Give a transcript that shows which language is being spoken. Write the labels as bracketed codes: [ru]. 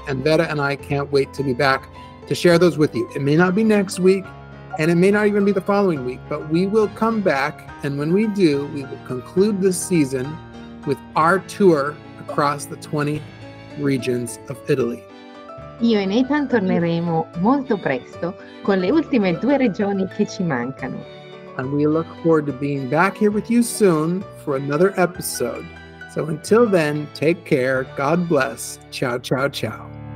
[en] And Vera and I can't wait to be back to share those with you. It may not be next week, and it may not even be the following week, but we will come back. And when we do, we will conclude this season with our tour across the 20 regions of Italy. [it] Io e Nathan torneremo molto presto con le ultime due regioni che ci mancano. [en] And we look forward to being back here with you soon for another episode. So until then, take care. God bless. Ciao, ciao, ciao.